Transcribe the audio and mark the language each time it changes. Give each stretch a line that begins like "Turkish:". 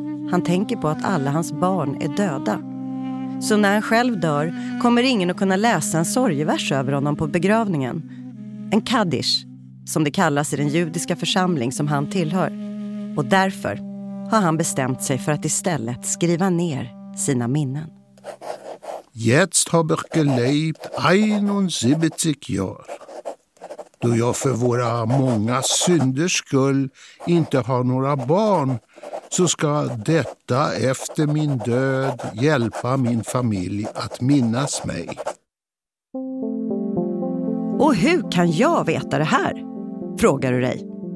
Swedish: Han tänker på att alla hans barn är döda. Så när han själv dör kommer ingen att kunna läsa en sorgevers över honom på begravningen. En kaddish, som det kallas i den judiska församling som han tillhör. Och därför har han bestämt sig för att istället skriva ner sina minnen.
German: Jetzt habe ich gelebt 71 år.
Swedish: Då jag för våra många synders skull inte har några barn, så ska detta efter min död hjälpa min familj att minnas mig. Och hur kan jag veta det här? Frågar du dig.